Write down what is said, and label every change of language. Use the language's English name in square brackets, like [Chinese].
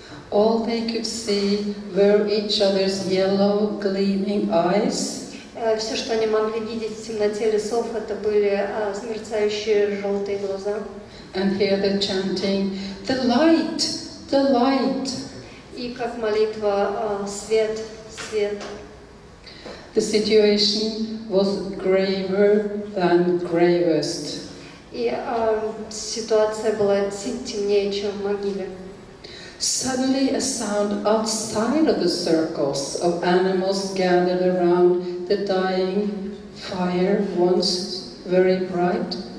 [English] All they could see were each other's yellow gleaming eyes. [Russian] Все, что они могли видеть в темноте лесов, это были мерцающие желтые глаза. [English] And hear the chanting, "The light, the light." [Russian] И как молитва, свет. [English] The situation was graver than gravest. [Russian] И ситуация была темнее, чем в могиле. [English] Suddenly a sound outside of the circles of animals gathered around the dying fire, once very bright.